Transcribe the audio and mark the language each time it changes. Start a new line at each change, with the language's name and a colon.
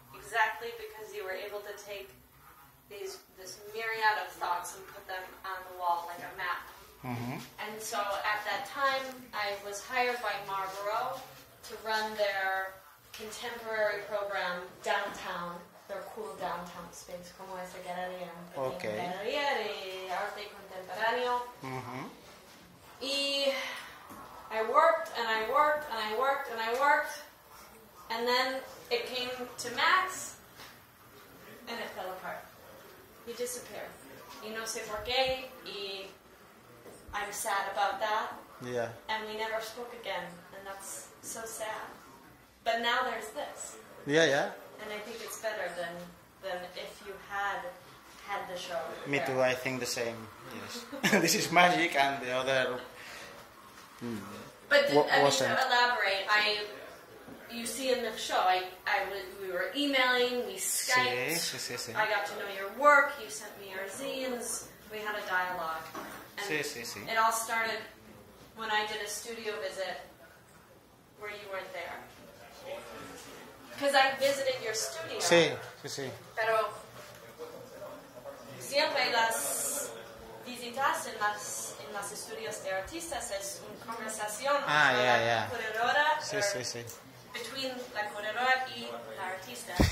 English: Exactly because you were able to take this myriad of thoughts and put them on the wall like a map. Mm-hmm. And so at that time, I was hired by Marlboro to run their contemporary program downtown, their cool downtown space,
Spanish: como es la galería,
English: okay.
Spanish: Galería de arte contemporáneo. Mm-hmm.
English: Y I worked and I worked and I worked and I worked, and then it came to Max, and it fell apart. He disappeared.
Spanish: Y no sé por qué,
English: I'm sad about that. Yeah. And we never spoke again, and that's so sad. But now there's this. Yeah, yeah. And I think it's better than if you had the show. Me too, I think the same. Yes. This is magic, and the other. But to elaborate, you see in the show, we were emailing, we Skyped.
Spanish: Sí, sí, sí.
English: I got to know your work, you sent me your zines, we had a dialogue.
Spanish: Sí, sí, sí.
English: It all started when I did a studio visit where you weren't there. Because I visited your studio.
Spanish: Sí, sí, sí. Pero siempre las visitas en las estudios de artistas es una conversación corredora between la corredora y la artista.